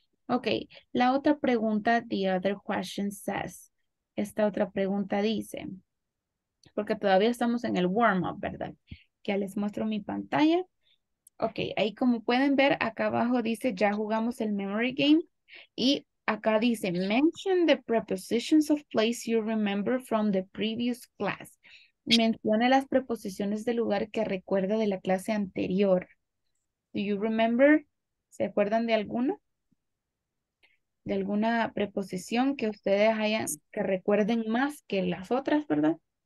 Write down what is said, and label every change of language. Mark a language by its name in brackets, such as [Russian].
[Spanish] Ok, la otra pregunta, [English] the other question says, [Spanish] esta otra pregunta dice, porque todavía estamos en el warm-up, ¿verdad? Que ya les muestro mi pantalla. Ok, ahí como pueden ver, acá abajo dice, ya jugamos el memory game. Y acá dice, [English] mention the prepositions of place you remember from the previous class. [Spanish] Menciona las preposiciones de lugar que recuerda de la clase anterior. [English] Do you remember? [Spanish] ¿Se acuerdan de alguna? ¿De alguna preposición que ustedes hayan, que recuerden más que las otras, verdad?